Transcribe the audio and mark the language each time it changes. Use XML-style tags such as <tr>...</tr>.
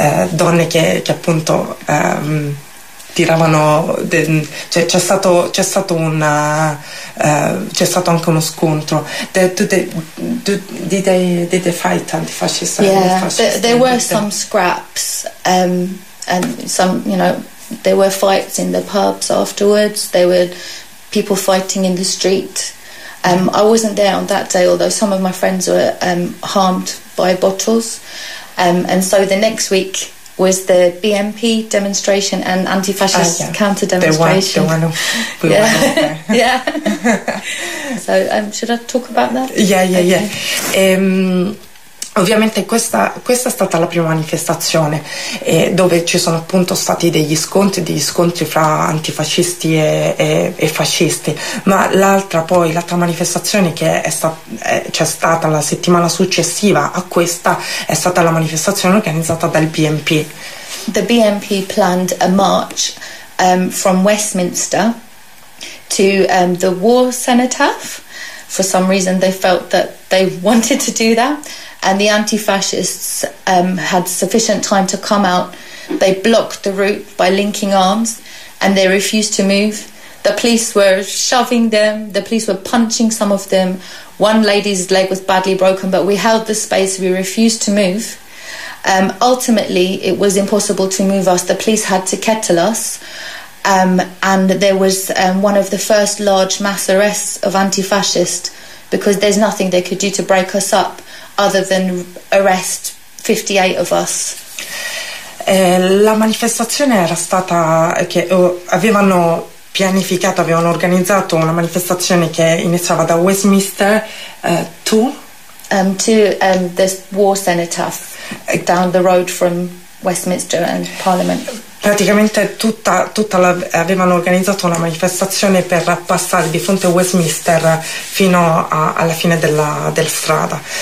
<it>Donne che appunto tiravano, cioè c'è stato anche uno scontro.</it> <en>Did they fight antifascists? Yeah, there were some scraps and some, you know, there were fights in the pubs afterwards. There were people fighting in the street. I wasn't there on that day, although some of my friends were harmed by bottles. And so the next week was the BNP demonstration and anti-fascist counter demonstration. Yeah. So should I talk about that? Yeah.</en> <it>Ovviamente questa è stata la prima manifestazione dove ci sono appunto stati degli scontri fra antifascisti e fascisti, ma l'altra manifestazione che c'è stata la settimana successiva a questa è stata la manifestazione organizzata dal BNP.</it> <en>The BNP planned a march from Westminster to the war cenotaph. For some reason they felt that they wanted to do that. And the anti-fascists had sufficient time to come out. They blocked the route by linking arms and they refused to move. The police were shoving them. The police were punching some of them. One lady's leg was badly broken, but we held the space. We refused to move. Ultimately, it was impossible to move us. The police had to kettle us. And there was one of the first large mass arrests of anti-fascists because there's nothing they could do to break us up. Other than arrest 58 of us.</en> <it>La manifestazione era stata che avevano pianificato, avevano organizzato una manifestazione che iniziava da Westminster to</it> <en>the war cenotaph down the road from Westminster and Parliament.</en> <it>Praticamente tutta la, avevano organizzato una manifestazione per passare di fronte a Westminster fino alla fine della strada.</it>